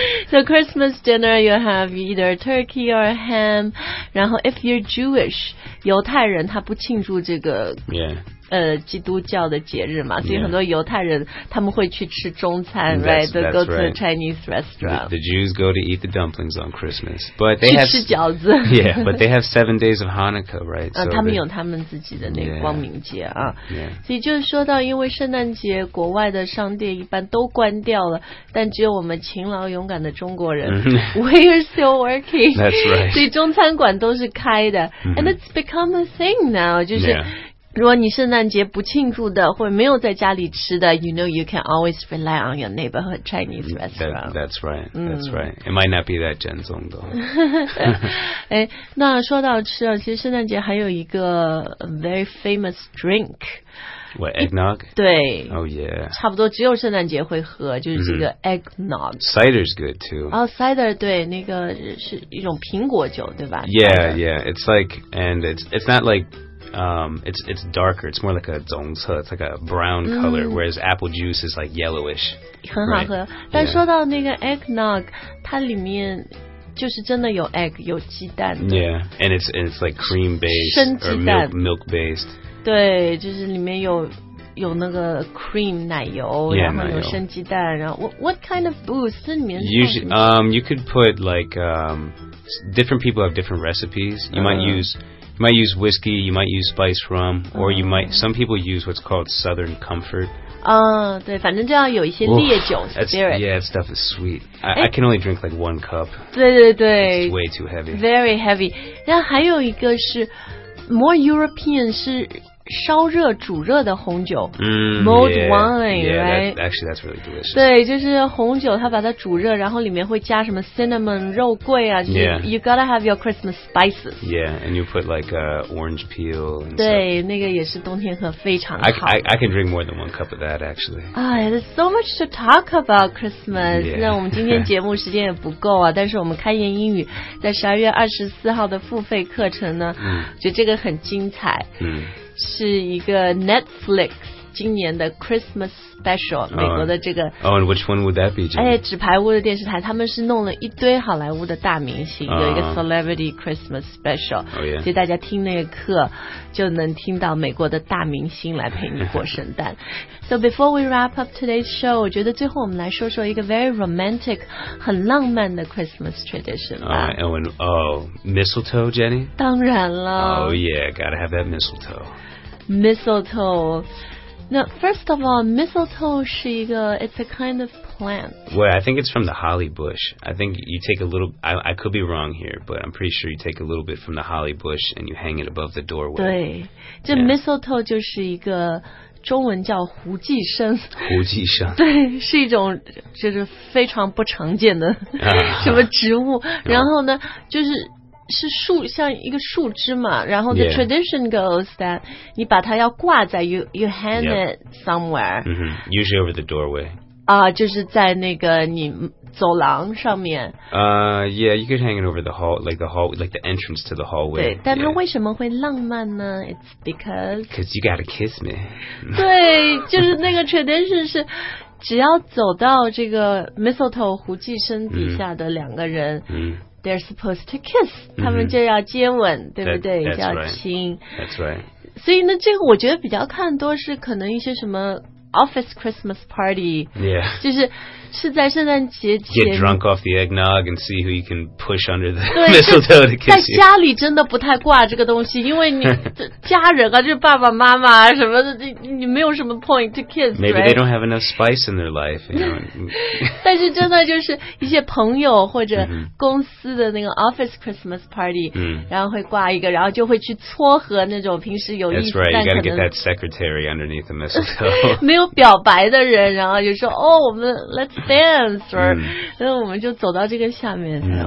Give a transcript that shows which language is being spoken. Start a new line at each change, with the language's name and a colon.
English: So Christmas dinner, you have either turkey or ham.
Chinese: 然后
English: if you're Jewish,
Chinese: 犹太人他不庆祝这个。
English: Yeah.
Chinese: 基督教的节日嘛，所以很多犹太人、
English: yeah.
Chinese: 他们会去吃中餐 right?
English: They go to a Chinese restaurant. The Jews go to eat the dumplings on Christmas. But they
Chinese: 去吃饺子。
English: Yeah, but they have 7 days of Hanukkah, right?
Chinese: 他们有他们自己的那个光明节啊。
English: Yeah.
Chinese: 所以就是说到因为圣诞节国外的商店一般都关掉了但只有我们勤劳勇敢的中国人
English: We are still working. That's right.
Chinese: 所以中餐馆都是开的、 mm-hmm.
English: And it's become a thing now.
Chinese: 就是、
English: yeah.
Chinese: 如果你圣诞节不庆祝的或者没有在家里吃的
English: You know you can always rely on your neighborhood Chinese restaurant That's right, that's right It might not be that
Chinese: 正宗
English: though
Chinese: 、哎、那说到吃其实圣诞节还有一个
English: very famous drink What, eggnog?
Chinese: 对
English: Oh yeah
Chinese: 差不多只有圣诞节会喝就是这个 eggnog、mm-hmm.
English: Cider's good too
Chinese: Oh, cider, 对那个是一种苹果酒对吧
English: Yeah, yeah, it's like And it's not likeit's darker, it's more like a
Chinese: 棕色
English: it's like a brown color,、mm. whereas apple juice is like yellowish.
Chinese: 很好喝、
English: right?
Chinese: 但说到那个 eggnog, 它里面就是真的有 egg, 有鸡蛋的。
English: Yeah, and it's like cream based, or milk based.
Chinese: 对就是里面有那个 cream, 奶油
English: yeah,
Chinese: 然后有生鸡蛋然后
English: what kind of booze?
Chinese: 这里面是
English: Usually, you could put like, different people have different recipes. You might use... You might use whiskey, you might use spiced rum, or you might, some people use what's called Southern Comfort.
Chinese: Oh, 对反正就要有一些烈酒 spirit.
English: Yeah, that stuff is sweet. I can only drink like one cup.
Chinese: 对对对
English: It's way too heavy. Very heavy.
Chinese: 然后还有一个是
English: more European
Chinese: 是烧热煮热的红酒 mulled wine,
English: yeah, right? That, actually, that's really delicious.
Chinese: 对就是红酒它把它煮热然后里面会加什么 cinnamon, 肉桂啊、就是、
English: Yeah. You gotta have your Christmas spices. Yeah, and you put like orange peel and
Chinese: 对
English: stuff.
Chinese: 那个也是冬天喝非常好
English: I can drink more than one cup of that, actually. There's so much to talk about Christmas. Yeah.
Chinese: 那我们今天节目时间也不够啊但是我们开言英语在12月24号的付费课程呢、 mm. 觉得这个很精彩。嗯、mm. 是一个 Netflix 今年的 Christmas Special、
English: oh,
Chinese: 美国的这个
English: Oh, and which one would that be, Jimmy?
Chinese: 哎，纸牌屋的电视台他们是弄了一堆好莱坞的大明星、有一个 Celebrity Christmas Special、
English: oh, yeah.
Chinese: 所以大家听那个课就能听到美国的大明星来陪你过圣诞
English: So before we wrap up today's show
Chinese: 我觉得最后我们来说说一个
English: very romantic
Chinese: 很浪漫的 Christmas tradition 吧
English: mistletoe, Jenny?
Chinese: 当然了
English: Oh yeah, gotta have that mistletoe Mistletoe No, first of all, mistletoe
Chinese: 是一个
English: it's a kind of plant. Well, I think it's from the holly bush. I think you take a little, I could be wrong here, but I'm pretty sure you take a little bit from the holly bush and you hang it above the doorway.
Chinese: 对,这 mistletoe 就是一个中文叫胡寄生。胡寄生。对,是一种就是非常不常见的、什么植物。然后呢,就是是树像一个树枝嘛然后 the、
English: yeah. tradition goes that
Chinese: 你把它要挂在
English: you hang、 yep. it somewhere、 mm-hmm. usually over the doorway
Chinese: 啊、就是在那个你走廊上面
English: yeah you could hang it over the hall like the hall like the entrance to the hallway
Chinese: 对但它为什么会浪漫呢
English: it's because you gotta kiss me
Chinese: 对就是那个 tradition 是只要走到这个 mistletoe 胡寄生底下的两个人、 mm-hmm.
English: They're supposed to kiss,、 mm-hmm.
Chinese: 他们就要接吻，对不对？
English: That's
Chinese: 要亲。
English: Right. That's right.
Chinese: 所以呢，这个我觉得比较看多是可能一些什么 office Christmas party,
English: yeah,
Chinese: 就是是在圣诞节前
English: get drunk off the eggnog and see who you can push under the mistletoe to kiss.
Chinese: 在家里真的不太挂这个东西，因为你家人啊，就是爸爸妈妈啊什么的，你没有什么
English: point to kiss. Maybe、 right? they don't have enough spice in their life. You know?
Chinese: 但是真的就是一些朋友或者公司的那个 office Christmas party,、 mm-hmm. 然后会挂一个，然后就会去撮合那种平时有意思
English: That's right. You gotta get that secretary underneath the mistletoe.
Chinese: 没有表白的人，然后就说哦，我们
English: let's dance or、
Chinese: mm. 我们就走到这个下面、mm.